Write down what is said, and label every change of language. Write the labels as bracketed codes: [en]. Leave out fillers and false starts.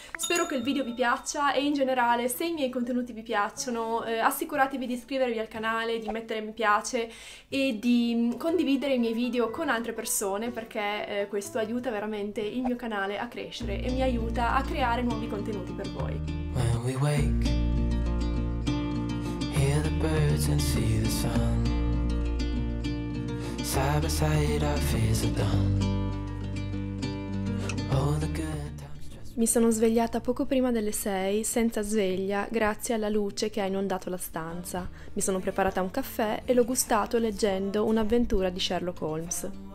[it] Spero che il video vi piaccia e in generale se i miei contenuti vi piacciono assicuratevi di iscrivervi al canale, di mettere mi piace e di condividere i miei video con altre persone perché questo aiuta veramente il mio canale a crescere e mi aiuta a creare nuovi contenuti per voi. [en] When we wake, hear the birds and see the sun. Side by side our fears are done. Oh, the good. [it] Mi sono svegliata poco prima delle 6, senza sveglia, grazie alla luce che ha inondato la stanza. Mi sono preparata un caffè e l'ho gustato leggendo Un'avventura di Sherlock Holmes.